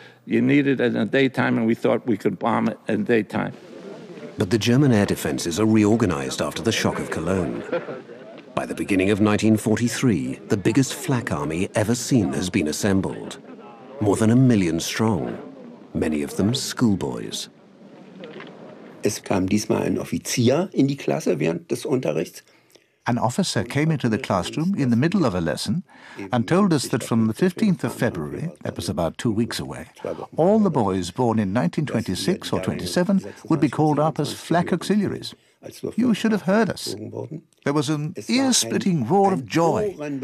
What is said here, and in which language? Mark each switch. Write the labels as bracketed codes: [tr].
[en] You need it in the daytime, and we thought we could bomb it in the daytime. But the German air defenses are reorganized after the shock of Cologne. By the beginning of 1943, the biggest flak army ever seen has been assembled. More than 1 million strong, many of them schoolboys. [de] Es kam diesmal ein Offizier in die Klasse während des Unterrichts. [en] An officer came into the classroom in the middle of a lesson and told us that from the 15th of February, that was about 2 weeks away, all the boys born in 1926 or 27 would be called up as flak auxiliaries. You should have heard us. There was an ear-splitting roar of joy.